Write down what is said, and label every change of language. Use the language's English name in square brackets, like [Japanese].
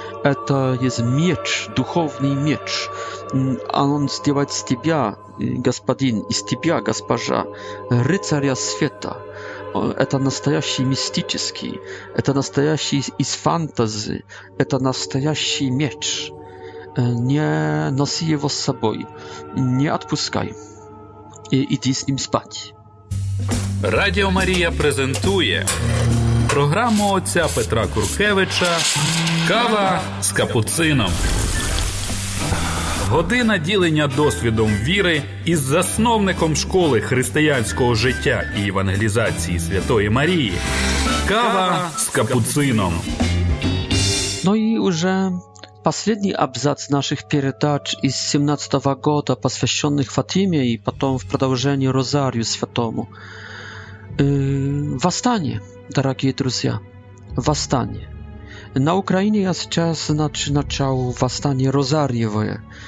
[Russian] Это есть меч, духовный меч. Он сделает с тебя, господин, и с тебя, госпожа, рыцаря света. Это настоящий мистический, это настоящий из фантазы, это настоящий меч. Не носи его с собой, не отпускай. И иди с ним спать. [Ukrainian] Радіо Марія презентує програму отця Петра Куркевича «Кава з капуцином». Година ділення досвідом віри із засновником школи християнського життя і евангелізації Святої Марії «Кава з капуцином». [Russian] Ну [Ukrainian] і вже [Russian] последний абзац наших передач из 17-го года, посвященных Фатиме и потом в продолжении Розарию Святому. Восстание, дорогие друзья, восстание. На Украине я сейчас начал восстание Розарьевое.